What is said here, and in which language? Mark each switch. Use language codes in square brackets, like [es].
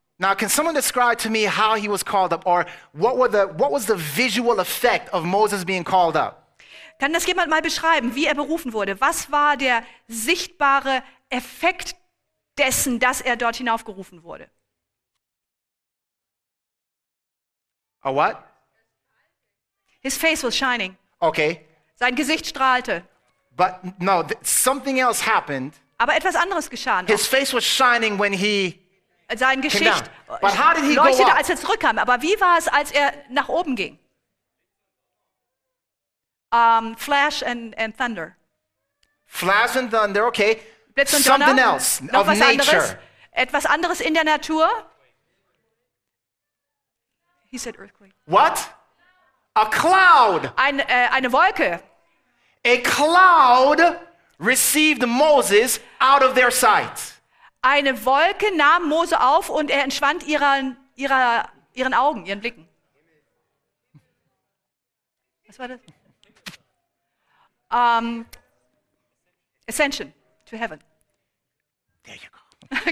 [en] Now, can someone describe to me how he was called up, or what was the visual effect of Moses being called up? [de] Kann das jemand mal beschreiben, wie er berufen wurde? Was war der sichtbare Effekt dessen, dass er dort hinaufgerufen wurde? [en] A what? His face was shining. Okay. [de] Sein Gesicht strahlte. [en] But no, something else happened. [de] Aber etwas anderes geschah. [en] His face was shining when he. [de] Sein Gesicht leuchtete, als er zurückkam. Aber wie war es, als er nach oben ging? [en] Flash and thunder. Flash and thunder, okay. [de] Blitz und Donner. [en] Something else of nature. [de] Etwas anderes in der Natur. [en] He said earthquake. What? A cloud. [de] Eine Wolke. [en] A cloud received Moses out of their sight. [de] Eine Wolke nahm Mose auf und er entschwand ihren Augen, ihren Blicken. Was war das? [en] Ascension to to heaven. There you go.